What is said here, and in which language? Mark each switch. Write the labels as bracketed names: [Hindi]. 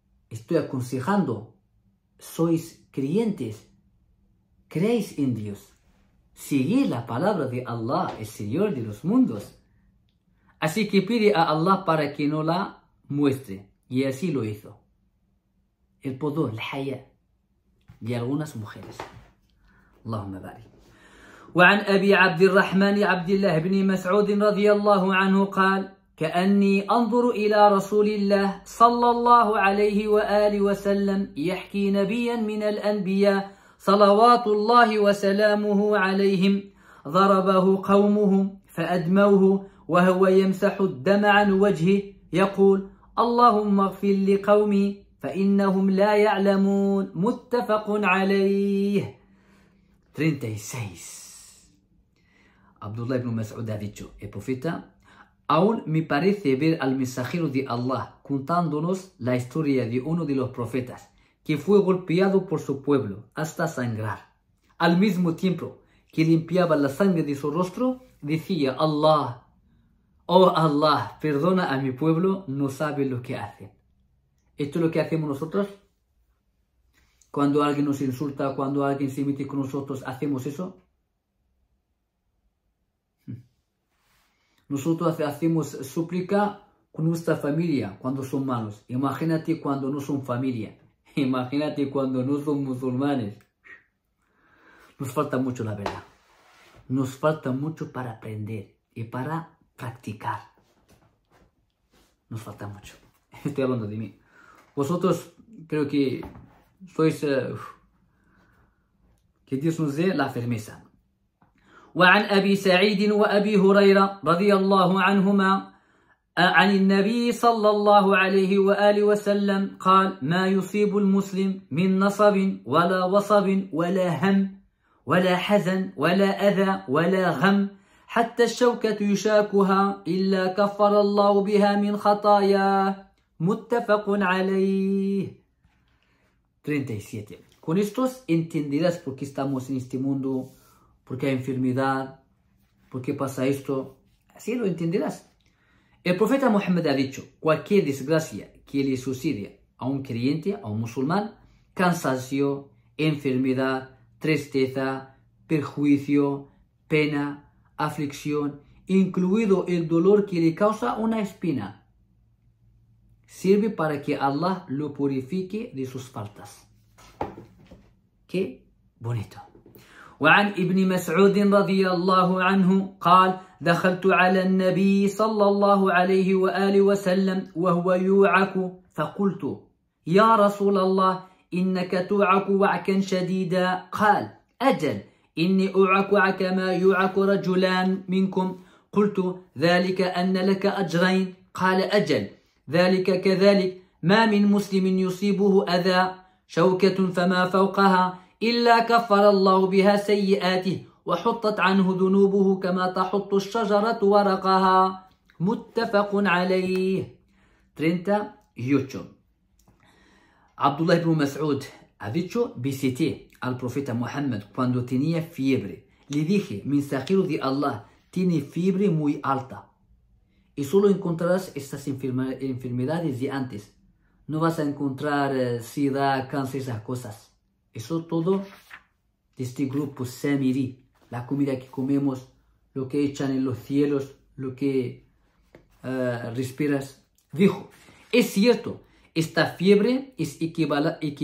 [Spanish] Estoy aconsejando, sois creyentes, creéis en Dios. Seguid la palabra de Allah, el Señor de los mundos. Así que pide a Allah para que no la muestre. Y así lo hizo. El pudor, el haya de algunas mujeres. Allahumma barik. [Arabic] وعن أبي عبد الرحمن عبد الله بن مسعود رضي الله عنه قال كأني أنظر إلى رسول الله صلى الله عليه وآله وسلم يحكي نبيا من الأنبياء صلوات الله وسلامه عليهم ضربه قومه فأدموه وهو يمسح الدمع عن وجهه يقول اللهم اغفر لقومي فإنهم لا يعلمون متفق عليه 36 [Spanish] Abdullah ibn Mas'ud ha dicho, el profeta, aún me parece ver al mensajero de Allah contándonos la historia de uno de los profetas que fue golpeado por su pueblo hasta sangrar. Al mismo tiempo que limpiaba la sangre de su rostro, decía, Allah, oh Allah, perdona a mi pueblo, no sabe lo que hace. ¿Esto es lo que hacemos nosotros? Cuando alguien nos insulta, cuando alguien se mete con nosotros, ¿hacemos eso? Nosotros hacemos súplica con nuestra familia cuando son malos. Imagínate cuando no son familia. Imagínate cuando no son musulmanes. Nos falta mucho, la verdad. Nos falta mucho para aprender y para practicar. Nos falta mucho. Estoy hablando de mí. Vosotros creo que sois... que Dios nos dé la firmeza. [Arabic] وعن أبي سعيد وأبي هريرة رضي الله عنهما عن النبي صلى الله عليه وآله وسلم قال ما يصيب المسلم من نصب ولا وصب ولا هم ولا حزن ولا أذى ولا غم حتى الشوكة يشاكها إلا كفر الله بها من خطاياه متفق عليه 37 [Spanish] Con estos entenderás por qué estamos en este mundo. ¿Por qué hay enfermedad? ¿Por qué pasa esto? Así lo entenderás. El profeta Muhammad ha dicho, cualquier desgracia que le sucede a un creyente, a un musulmán, cansancio, enfermedad, tristeza, perjuicio, pena, aflicción, incluido el dolor que le causa una espina, sirve para que Allah lo purifique de sus faltas. ¡Qué bonito! [Arabic] وعن ابن مسعود رضي الله عنه قال دخلت على النبي صلى الله عليه وآله وسلم وهو يوعك فقلت يا رسول الله إنك توعك وعكا شديدا قال أجل إني أوعك وعك ما يوعك رجلان منكم قلت ذلك أن لك أجرين قال أجل ذلك كذلك ما من مسلم يصيبه أذى شوكة فما فوقها إلا كفر الله بها سيئاته وحطت عنه ذنوبه كما تحط الشجرة ورقها متفق عليه 38 [Spanish] عبد الله بن مسعود ha dicho visité al profeta Muhammad cuando tenía fiebre le dije mensajero de Allah tiene fiebre muy alta y solo encontrarás estas enfermedades de antes no vas a encontrar sida, cáncer, esas cosas. Eso todo de este grupo Semiri, la comida que comemos, lo que echan en los cielos, lo que respiras. Dijo, es cierto, esta fiebre es equivalente.